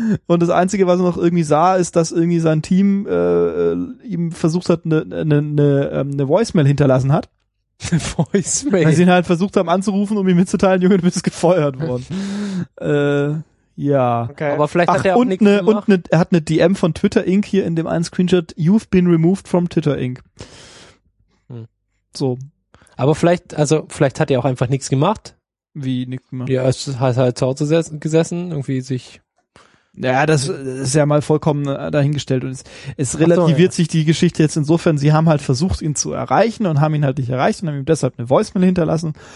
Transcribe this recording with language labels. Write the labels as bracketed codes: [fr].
[de] Und das Einzige, was er noch irgendwie sah, ist, dass irgendwie sein Team ihm versucht hat, eine Voicemail hinterlassen hat. Eine Voicemail? Weil sie ihn halt versucht haben anzurufen, um ihm mitzuteilen, Junge, du bist gefeuert worden. Ja. Okay. Aber vielleicht ach, hat er auch nichts gemacht. Und er hat eine DM von Twitter Inc. hier in dem einen Screenshot. [en] You've been removed from Twitter Inc. [de] Hm. So. Aber vielleicht hat er auch einfach nichts gemacht. Wie nichts gemacht? Ja, es hat halt zu Hause gesessen, irgendwie sich. Ja, das ist ja mal vollkommen dahingestellt. Und es relativiert sich die Geschichte jetzt insofern, sie haben halt versucht, ihn zu erreichen und haben ihn halt nicht erreicht und haben ihm deshalb eine Voicemail hinterlassen.